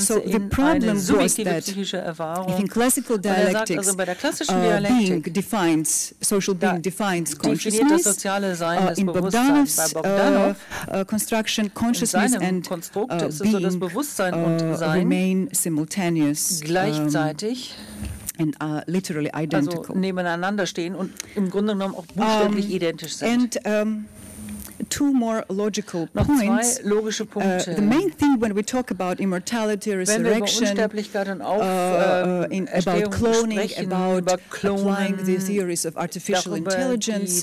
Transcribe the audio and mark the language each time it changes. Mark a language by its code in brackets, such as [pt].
[en] So the problem was that if in classical dialectics being defines, social being defines consciousness, in Bogdanov's construction, consciousness and being remain simultaneous, [de] gleichzeitig [en] and are literally identical. [de] Also nebeneinander stehen und im Grunde genommen auch buchstäblich identisch sind. [en] And two more logical points. [de] Zwei logische Punkte. [en] The main thing when we talk about immortality, resurrection, about cloning, about applying the theories of artificial intelligence,